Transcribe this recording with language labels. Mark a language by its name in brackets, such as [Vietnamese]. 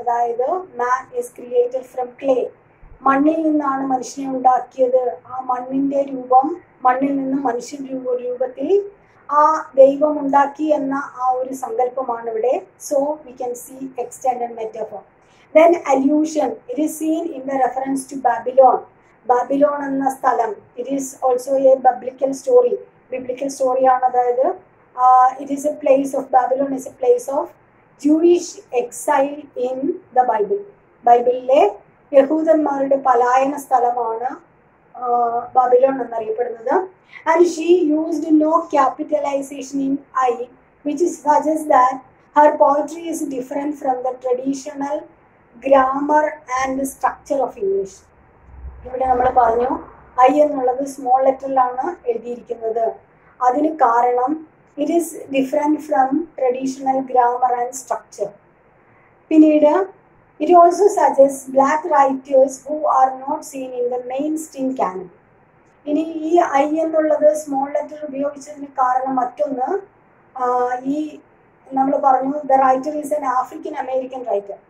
[English] That is, man is created from clay. [Malayalam] മണ്ണിൽ നിന്നാണ് മനുഷ്യനെ ഉണ്ടാക്കിയത്. ആ മണ്ണിൻ്റെ രൂപം, മണ്ണിൽ നിന്ന് മനുഷ്യൻ രൂപത്തിൽ ആ ദൈവം ഉണ്ടാക്കി എന്ന ആ ഒരു സങ്കല്പമാണ് ഇവിടെ. [English] So we can see extended metaphor. Then allusion, it is seen in the reference to Babylon. [Malayalam] Babylon എന്ന സ്ഥലം, [English] It is also a biblical story. [Malayalam] Biblical സ്റ്റോറിയാണ്. അതായത് [English] It is a place of Babylon is a place of Jewish exile in the Bible. [Malayalam] ബൈബിളിലെ യഹൂദന്മാരുടെ പലായന സ്ഥലമാണ് ബബിലോൺ എന്നറിയപ്പെടുന്നത്. [English] And she used no capitalisation in I, which is suggest that her poetry is different from the traditional grammar and structure of English. [Malayalam] ഇവിടെ നമ്മൾ പറഞ്ഞു I എന്നുള്ളത് small ലെറ്ററിലാണ് എഴുതിയിരിക്കുന്നത്. അതിന് കാരണം [English] It is different from traditional grammar and structure. [Malayalam] പിന്നീട് [English] It also suggests black writers who are not seen in the mainstream canon. [Malayalam] ഇനി ഈ ഐ എന്നുള്ളത് സ്മോൾ ലെറ്റർ ഉപയോഗിച്ചതിന് കാരണം മറ്റൊന്ന്, ഈ നമ്മൾ പറഞ്ഞു [English] The writer is an African American writer.